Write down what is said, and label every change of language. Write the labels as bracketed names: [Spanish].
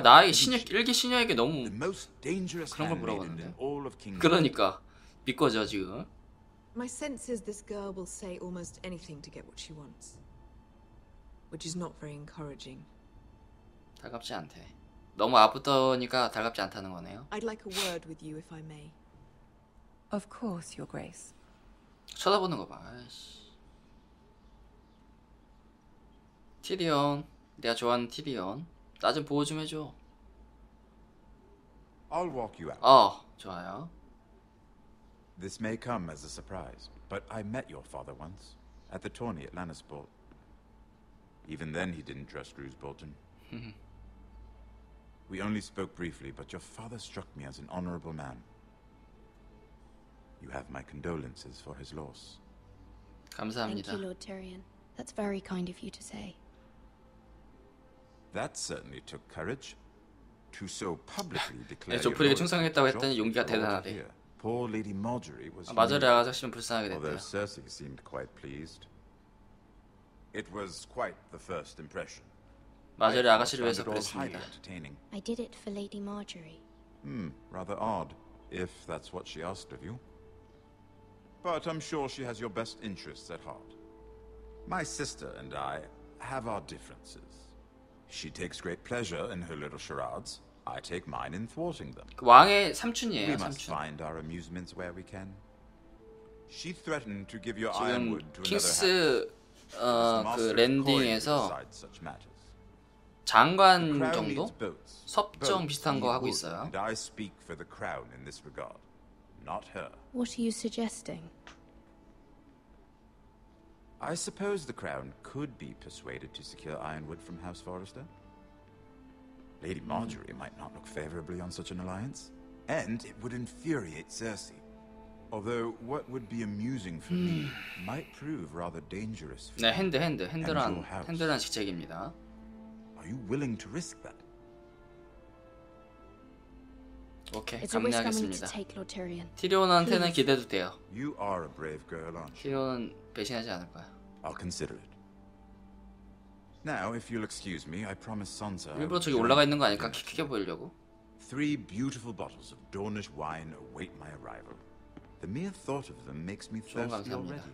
[Korean] 아, 나의 신여, 일개 신여에게 너무 그런 걸 물어봤는데. 그러니까 비꼬죠 지금. [English] My sense is this girl will say almost anything to get what she wants. Which is not very encouraging. [Korean] 달갑지 않대. 너무 앞부터니까 달갑지 않다는 거네요. [English] I'd like a word with you, if I may. Of course, your grace. [Korean] 쳐다보는 거 봐. 아이씨. 티리온, 내가 좋아하는 티리온. 나 좀 보호 좀 해줘. [English] I'll walk you out. [Korean] 어, 좋아요. [English] This may come as a surprise, but I met your father once at the tourney at Lannisport. Even then, he didn't trust Roose Bolton. We only spoke briefly, but your father struck me as an honorable man. You have my condolences for his loss. [Korean] 감사합니다. [English] Thank you, Lord Tyrion. That's very kind of you to say. That certainly took courage to so publicly declare. [Korean] 네, 조프리가 충성했다고 했더니 용기가 대단하대. [English] Poor Lady Marjorie was. [Korean] 아, 마저리가 사실은 불쌍하게 됐다. [English] Although Cersei seemed quite pleased. It was quite the first impression. [Korean] 마저리 아가씨를 위해서 그랬습니다. [English] I did it for Lady Marjorie. Rather odd, if that's what she asked of you. But I'm sure she has your best interests at heart. My sister and I have our differences. She takes great pleasure in her little charades. I take mine in thwarting them. [Korean] 그 왕의 삼촌이에요, 삼촌. [English] We must find our amusements where we can. She threatened to give your ironwood to another [Korean] hand. 그 랜딩에서 장관 정도? 섭정 비슷한 거 하고 있어요. [English] I speak for the crown in this regard, not her. What are you suggesting? I suppose the crown could be persuaded to secure ironwood from House Forrester. Lady Marjorie might not look favorably on such an alliance, and it would infuriate Cersei. Although what would be amusing for me might prove rather dangerous for [Korean] you. 네, 핸드란 직책입니다. [English] Are you willing to risk that? [Korean] Okay, 감내하겠습니다. 티리온한테는 기대도 돼요. [English] You are a brave girl, aren't you? [Korean] 티리온은 배신하지 않을 거야. [English] I'll consider it. Now, if you'll excuse me, I promise Sansa. [Korean] 일부러 저기 올라가 있는 거 아닐까? 키 크게 보이려고. [English] Three beautiful bottles of Dornish wine await my arrival. The mere thought of them makes me thirsty already.